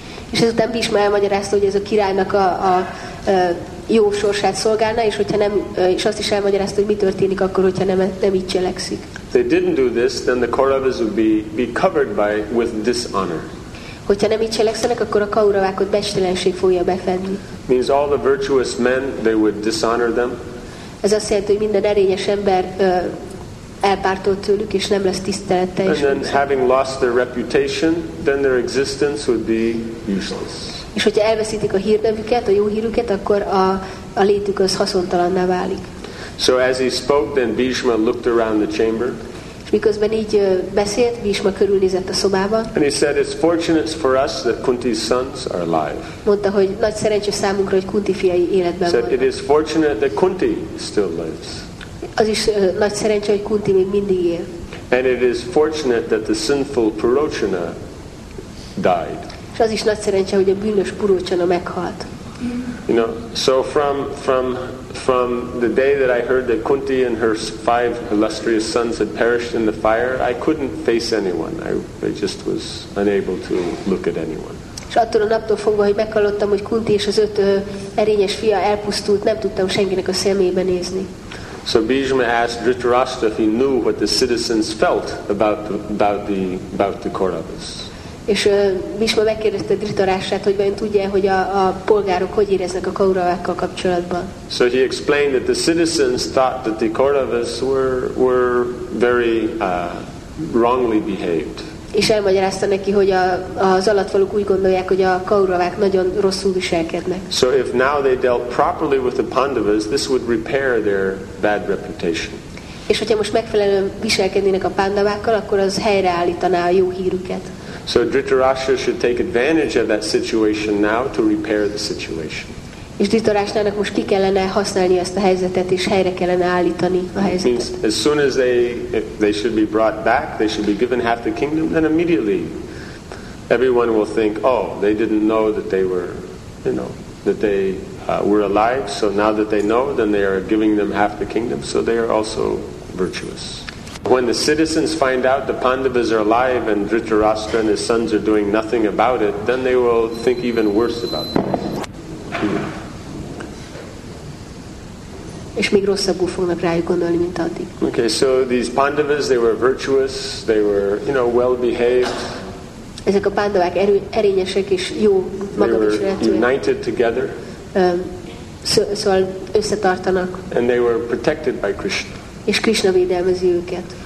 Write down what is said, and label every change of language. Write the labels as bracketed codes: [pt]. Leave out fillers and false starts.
[hu] És ezután Bhishma elmagyarázta, hogy ez a királynak a jó sorsát szolgálna, és hogyha nem, és azt is elmagyarázta, hogy mi történik akkor, hogyha nem így cselekszik. [en] They didn't do this, then the Kauravas would be covered by with dishonor. [hu] Hogyha nem így cselekszenek, akkor a Kauravákat becstelenség fogja befedni. [en] Means all the virtuous men, they would dishonor them. [hu] Ez azt jelenti, hogy minden erényes ember elpártolt tőlük, és nem lesz tisztelettel. [en] And then having lost their reputation, then their existence would be useless. [hu] És hogyha elveszítik a hírnevüket, a jó hírüket, akkor a létük az haszontalanná válik. [en] So as he spoke, then Bhishma looked around the chamber. [hu] És miközben így beszélt, Bhishma körülnézett a szobában. [en] And he said, it's fortunate for us that Kunti's sons are alive. [hu] Mondta, hogy nagy szerencse számunkra, hogy Kunti fiai életben vannak. [en] Said, it is fortunate that Kunti still lives. [hu] Az is nagy szerencse, hogy Kunti még mindig él. [en] And it is fortunate that the sinful Purochana died. [hu] És az is nagy szerencse, hogy a bűnös Purochana meghalt. [en] You know, so from the day that I heard that Kunti and her five illustrious sons had perished in the fire, I couldn't face anyone. I just was unable to look at anyone. [hu] És attól a naptól fogva, hogy meghallottam, hogy Kunti és az öt erényes fia elpusztult, nem tudtam senkinek a szemébe nézni. [en] So Bhishma asked Dhritarashtra if he knew what the citizens felt about the Kauravas. [hu] És Bhishma megkérdezte Dhritarashtrát, hogy vajon tudja, hogy a polgárok hogy éreznek a Kauravákkal kapcsolatban. [en] So he explained that the citizens thought that the Kauravas were very wrongly behaved. [hu] És elmagyarázta neki, hogy az alattvalók úgy gondolják, hogy a Kauravák nagyon rosszul viselkednek. [en] So if now they dealt properly with the Pandavas, this would repair their bad reputation. [hu] És hogyha most megfelelően viselkednének a Pandavákkal, akkor az helyreállítaná a jó hírüket. [en] So Dhritarashtra should take advantage of that situation now to repair the situation. [hu] És Dhritarashtrának most ki kellene használni ezt a helyzetet, és helyre kellene állítani a helyzetet. [en] Means as soon as they should be brought back, they should be given half the kingdom, then immediately everyone will think, oh, they didn't know that they were, you know, that they were alive, so now that they know, then they are giving them half the kingdom, so they are also virtuous. When the citizens find out the Pandavas are alive and Dhritarashtra and his sons are doing nothing about it, then they will think even worse about them. [hu] És még rosszabbul fognak rájuk gondolni, mint addig. [en] Okay, so these Pandavas, they were virtuous, they were, you know, well behaved. [hu] Ezek a Pandavák erényesek és jó magabiztosak. [en] United together. [hu] Szóval összetartanak. [en] And they were protected by Krishna. [hu] És Krishna védelmezi őket.